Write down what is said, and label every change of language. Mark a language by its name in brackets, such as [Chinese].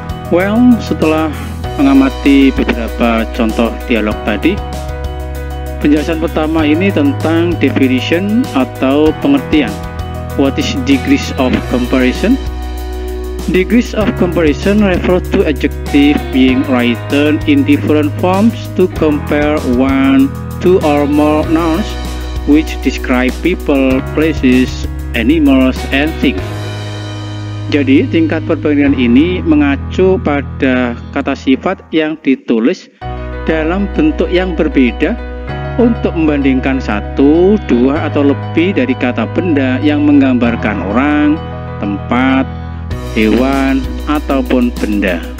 [Indonesian] Well, setelah mengamati beberapa contoh dialog tadi, penjelasan pertama ini tentang definition atau pengertian. [English] What is degrees of comparison? Degrees of comparison refer to adjective being written in different forms to compare one, two or more nouns which describe people, places, animals, and things. [Indonesian] Jadi, tingkat perbandingan ini mengacu pada kata sifat yang ditulis dalam bentuk yang berbeda untuk membandingkan satu, dua, atau lebih dari kata benda yang menggambarkan orang, tempat, hewan, ataupun benda.